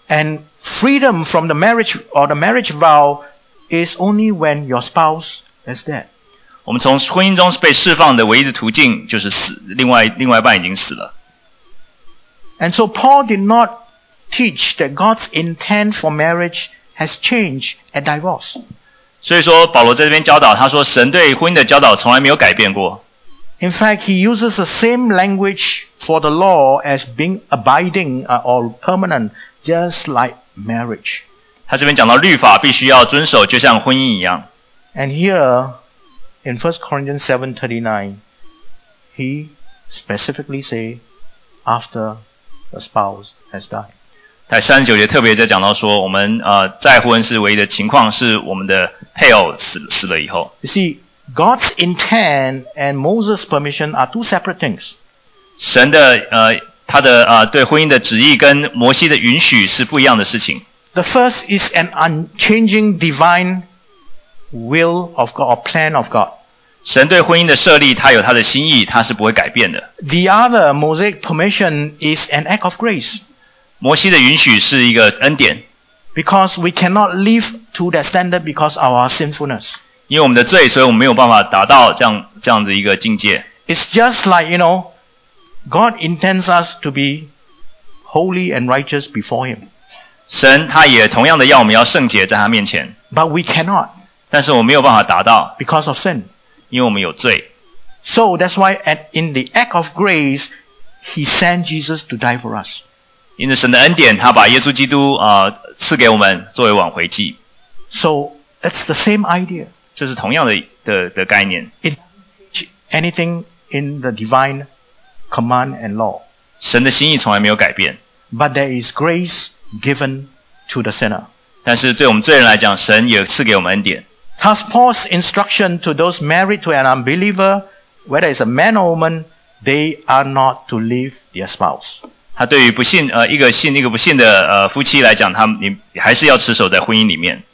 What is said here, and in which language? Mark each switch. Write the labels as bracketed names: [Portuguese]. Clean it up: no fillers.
[English] And freedom from the marriage or the marriage vow is only when your spouse is dead. [Chinese] 我们从婚姻中被释放的唯一的途径就是死，另外一半已经死了。 [English] And so Paul did not teach that God's intent for marriage has changed at divorce. [Chinese] 所以说保罗在这边教导，他说神对婚姻的教导从来没有改变过。 [English] In fact, he uses the same language for the law as being abiding or permanent, just like marriage. [Chinese] 他这边讲到律法必须要遵守，就像婚姻一样。 [English] And here, in 1 Corinthians 7:39, he specifically say, after the spouse has died. [Chinese] 在39节特别在讲到说，我们再婚是唯一的情况，是我们的配偶死了以后。 [English] You see,God's intent and Moses' permission are two separate things. [Chinese] 神的他的对婚姻的旨意跟摩西的允许是不一样的事情。 [English] The first is an unchanging divine will of God or plan of God. [Chinese] 神对婚姻的设立，他有他的心意，他是不会改变的。 [English] The other Mosaic permission is an act of grace. [Chinese] 摩西的允许是一个恩典。 [English] Because we cannot live to that standard because of our sinfulness. [Chinese] 因为我们的罪，所以我们没有办法达到这样子一个境界。 [English] It's just like, you know, God intends us to be holy and righteous before Him. [Chinese] 神他也同样的要我们要圣洁在他面前。 [English] But we cannot. [Chinese] 但是我们没有办法达到。 [English] Because of sin. [Chinese] 因为我们有罪。 [English] So that's why in the act of grace, He sent Jesus to die for us. [Chinese] 因着神的恩典，他把耶稣基督赐给我们作为挽回祭。 [English] So it's the same idea. [Chinese] 这是同样 的概念。 [English] It doesn't change anything in the divine command and law. [Chinese] 神的心意从来没有改变。 [English] But there is grace given to the sinner. [Chinese] 但是对我们罪人来讲，神也赐给我们恩典。 [English] Thus Paul's instruction to those married to an unbeliever, whether it's a man or woman, they are not to leave their spouse. [Chinese] 他对于不信一个信一个不信的夫妻来讲，他们你还是要持守在婚姻里面。